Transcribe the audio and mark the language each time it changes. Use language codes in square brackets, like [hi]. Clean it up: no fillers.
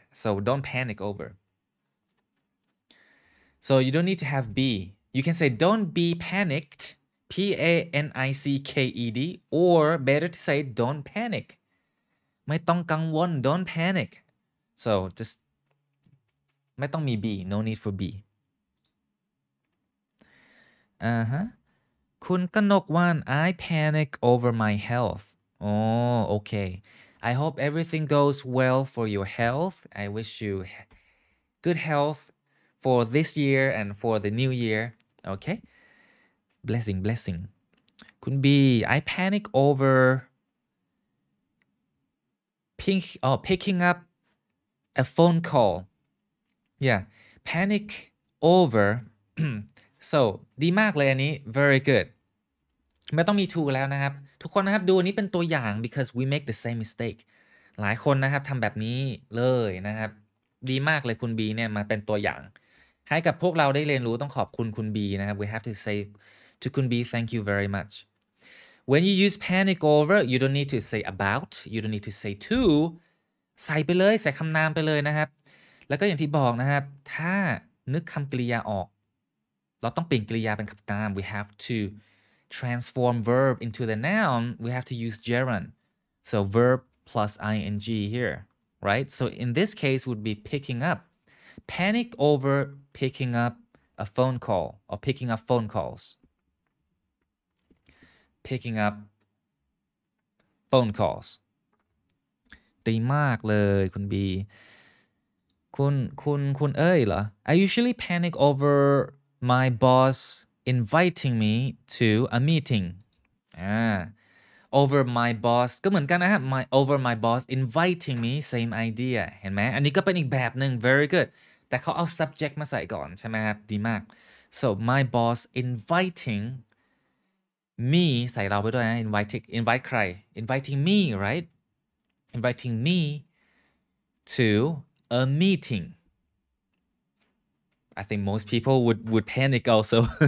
[en] So don't panic over. So you don't need to have be. You can say don't be panicked. P-A-N-I-C-K-E-D. Or better to say don't panic. [th] ไม่ต้องกังวล [en] Don't panic. So just [th] ไม่ต้องมี [en] be. No need for be. คุณกนกวัน I panic over my health. Oh, okay. I hope everything goes well for your health. I wish you good health for this year and for the new year. Okay? Blessing, blessing. Couldn't be. I panic over picking up a phone call. Yeah. Panic over. [th] So, ดีมากเลยอันนี้ [en] Very good. [th] ไม่ต้องมีทูแล้วนะครับทุกคนนะครับดูอันนี้เป็นตัวอย่าง [en] because we make the same mistake [th] หลายคนนะครับทำแบบนี้เลยนะครับดีมากเลยคุณ B เนี่ยมาเป็นตัวอย่างให้กับพวกเราได้เรียนรู้ต้องขอบคุณคุณ B นะครับ [en] we have to say to [th] คุณ B [en] thank you very much when you use panic over you don't need to say about you don't need to say to [th] ใส่ไปเลยใส่คำนามไปเลยนะครับแล้วก็อย่างที่บอกนะครับถ้านึกคำกริยาออกเราต้องเปลี่ยนกริยาเป็นคำนาม [en] we have toTransform verb into the noun, we have to use gerund. So verb plus ing here, right? So in this case would be picking up. Panic over picking up a phone call or picking up phone calls. Picking up phone calls. [th] ดีมากเลยคุณ B. [en] คุณเอ้ยเหรอ? I usually panic over my boss... inviting me to a meeting over my boss [th] ก็เหมือนกันนะฮะ [en] my over my boss inviting me same idea [th] เห็นไหมอันนี้ก็เป็นอีกแบบนึง [en] very good [th] แต่เขาเอา subject มาใส่ก่อนใช่ไหมครับดีมาก [en] so my boss inviting me [th] ใส่เราไปด้วยนะ [en] invite ใคร inviting me right inviting me to a meetingI think most people would panic also.